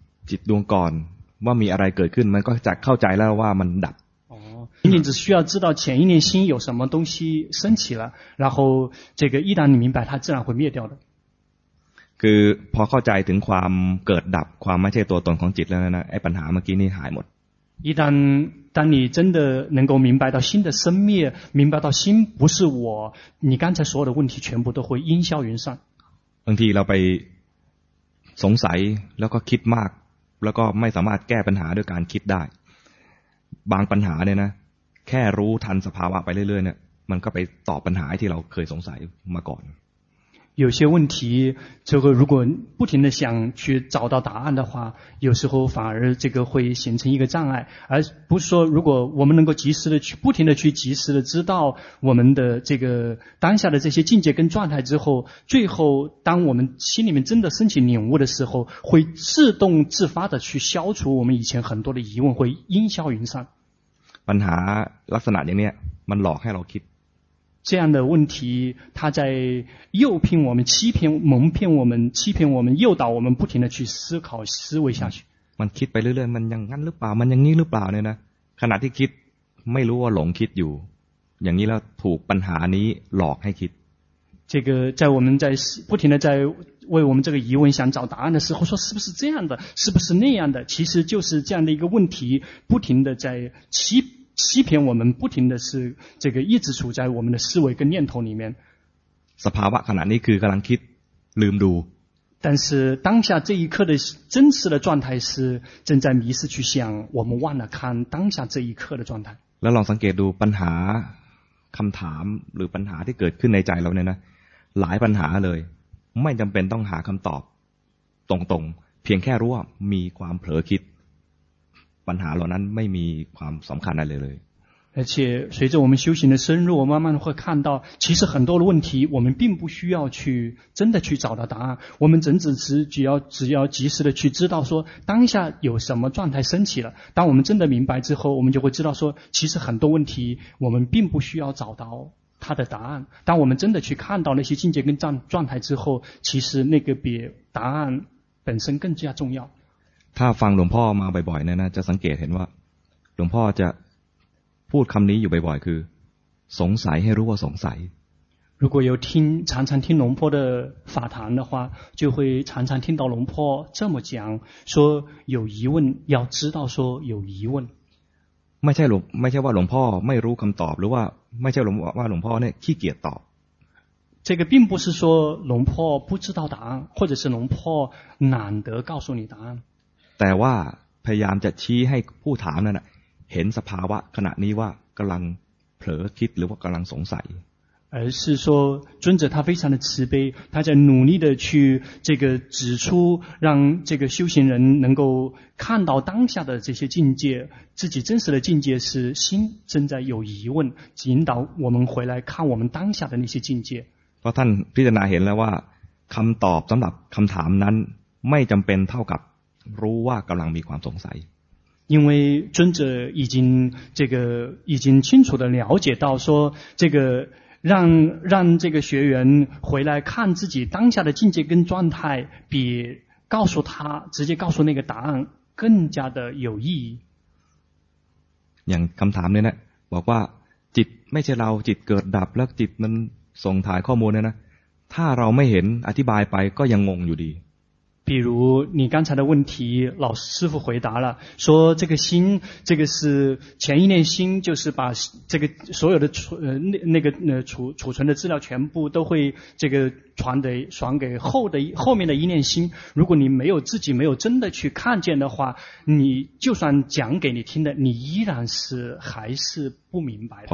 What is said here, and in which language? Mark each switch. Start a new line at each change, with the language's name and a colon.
Thai: จิตดวงก่อนว่ามีอะไรเกิดขึ้นมันก็จะเข้าใจแล้วว่ามันดับ
Chinese: 仅仅只需要知道前一念心有什么东西升起了然后这个一旦你明白它自然会灭掉的
Thai: คือพอเข้าใจถึงความเกิดดับความไม่ใช่ตัวตนของจิตแล้วนะไอ้ปัญหาเมื่อกี้นี่หายหมด
Chinese: 一旦当你真的能够明白到心的生灭明白到心不是我你刚才所有的问题全部都会烟消云散
Thai: บางทีเราไปสงสัยแล้วก็คิดมากแล้วก็ไม่สามารถแก้ปัญหาด้วยการคิดได้บางปัญหาเนี่ยนะแค่รู้ทันสภาวะไปเรื่อยๆเนี่ยมันก็ไปตอบปัญหาที่เราเคยสงสัยมาก่อน
Chinese: 有些问题这个如果不停的想去找到答案的话有时候反而这个会形成一个障碍而不是说如果我们能够及时的去不停的去及时的知道我们的这个当下的这些境界跟状态之后最后当我们心里面真的升起领悟的时候会自动自发的去消除我们以前很多的疑问会烟消云散
Thai: ปัญหาลักษณะอย่างนี้มันหลอกให้เราคิด
Chinese: 这样的问题它在诱骗我们欺骗蒙骗我们欺骗我们诱导我们不停的去思考思维下去
Thai: มันคิดไปเรื่อยๆมันยังงั้นหรือเปล่ามันยังงี้หรือเปล่าเนี่ยนะขณะที่คิดไม่รู้ว่าหลงคิดอยู่อย่างนี้แล้วถูกปัญหานี้หลอกให้คิด
Chinese: 这个在我们在不停的在为我们这个疑问想找答案的时候说是不是这样的是不是那样的其实就是这样的一个问题不停的在欺骗我们不停的是这个一直处在我们的思维跟念头里面
Thai: สภาวะขณะนี้คือกำลังคิดลืมดู
Chinese: 但是当下这一刻的真实的状态是正在迷失去想我们忘了看当下这一刻的状态
Thai: แล้วลองสังเกตดูปัญหาคำถามหรือปัญหาที่เกิดขึ้นในใจเราเนี่ยนะหลายปัญหาเลยไม่จำเป็นต้องหาคำตอบตรงๆเพียงแค่รู้ว่ามีความเผลอคิดปัญหาเหล่านั้นไม่มีความสำคัญอะไรเลย
Chinese: 而且随着我们修行的深入我慢慢会看到其实很多的问题我们并不需要去真的去找到答案我们只要及时的去知道说当下有什么状态升起了当我们真的明白之后我们就会知道说其实很多问题我们并不需要找到他的答案当我们真的去看到那些境界跟状态之后其实那个比答案本身更加重要
Thai: ถ้าฟังหลวงพ่อมาบ่อยๆเนี่ยนะจะสังเกตเห็นว่าหลวงพ่อจะพูดคำนี้อยู่บ่อยๆคือสงสัยให้รู้ว่าสงสัย
Chinese: 如果有听常常听龙坡的法谈的话就会常常听到龙坡这么讲说有疑问要知道说有疑问
Thai: ไม่ใช่ว่าหลวงพ่อไม่รู้คำตอบหรือว่าไม่ใช่ว่าหลวงพ่อเนี่ยขี้เกียจตอบ
Chinese: 这个并不是说龙坡不知道答案或者是龙坡懒得告诉你答案
Thai: แต่ว่าพยายามจะชี้ให้ผู้ถามนั่นน่ะห็นสภาวะขณะนี้ว่ากำลังเผลอคิดหรือว่ากำลังสงสัย
Chinese: 而是说尊者他非常的慈悲他在努力的去这个指出让这个修行人能够看到当下的这些境界自己真实的境界是心正在有疑问引导我们回来看我们当下的那些境界
Thai: เพราะท่านพิจารณาเห็นแล้วว่าคำตอบสำหรับคำถามนั้นไม่จำเป็นเท่ากับรู้ว่ากำลังมีความสงสัย
Chinese: 因为尊者已经这个已经清楚的了解到说这个让这个学员回来看自己当下的境界跟状态比告诉他直接告诉那个答案更加的有意义
Thai: อย่างคำถามเนี่ยนะบอกว่าจิตไม่ใช่เราจิตเกิดดับแล้วจิตมันส่งถ่ายข้อมูลเนี่ยนะถ้าเราไม่เห็นอธิบายไปก็ยังงงอยู่ดี
Chinese: 比如你刚才的问题老师父回答了说这个心这个是前一念心就是把这个所有的储存的资料全部都会这个传给后面的一念心如果你没有自己没有真的去看见的话你就算讲给你听的你依然是还是不明白